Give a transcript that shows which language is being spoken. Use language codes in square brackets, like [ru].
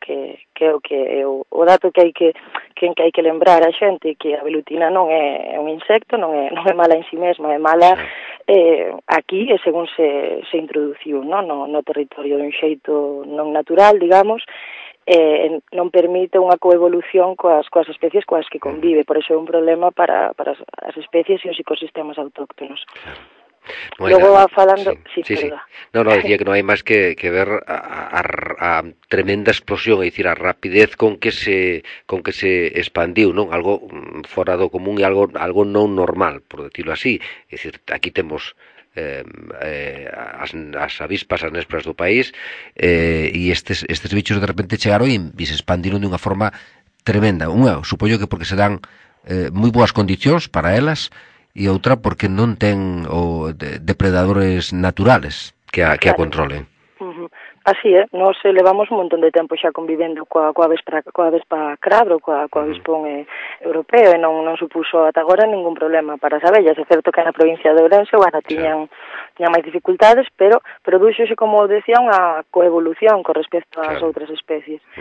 [gl] Que o dato que hai que lembrar a xente, que a velutina non é un insecto, non é mala en si mesma, é mala aquí e según se introduciu, non? No territorio dun xeito non natural, digamos, non permite unha coevolución coas especies coas que convive, por iso é un problema para as especies e os ecosistemas autóctonos. [es] Bueno, luego va falando, sí. No, decía que no hay más que ver a tremenda explosión, es decir, a rapidez con que se expandió, ¿no? Algo fuera de común y algo no normal, por decirlo así. Es decir, aquí tenemos [gl] as avispas, as nespras do país, [es] y [gl] estes bichos de repente chegaron [es] y se expandieron de una forma tremenda. Una, supongo que porque se dan muy buenas condiciones para elas, [gl] e outra porque non ten depredadores naturales que a controlen. Así é, nos levamos un montón de tempo xa convivendo coa vespa crabro, coa avispón europeo, e non supuso ata agora ningún problema para as abellas. É certo que na provincia de Ourense, bueno, tiñan máis dificultades, pero produxose, como decía, unha coevolución con respecto ás outras especies.